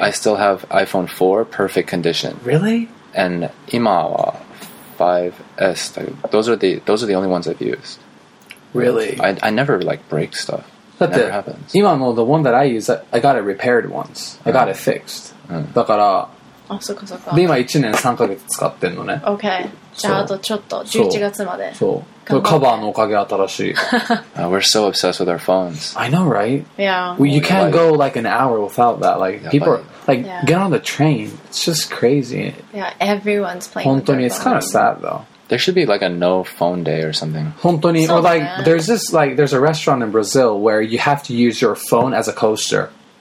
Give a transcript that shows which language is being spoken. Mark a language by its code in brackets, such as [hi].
[en] I still have iPhone 4, perfect condition. Really? And [ja] 今は5S. [en] Those are the only ones I've used. Really? I never like break stuff. That never happens. [ja] 今の [en] the one that I use, I got it repaired once. I got it fixed. [ja] だから、あ、そっかそっか。で、今1年3ヶ月使ってんのね。 [en] Okay. [ja] じゃあ、あとちょっと、11月まで。そう。これカバーのおかげ新しい。 [en] We're so obsessed with our phones. I know, right? Yeah. Well, you can't go like an hour without that. Like, people are... Like,、yeah. get on the train. It's just crazy. Yeah, everyone's playing with their phone. It's kind of sad, though. There should be, like, a no phone day or something. [ja] 本当に [en] or, like, there's this, like, there's a restaurant in Brazil where you have to use your phone as a coaster.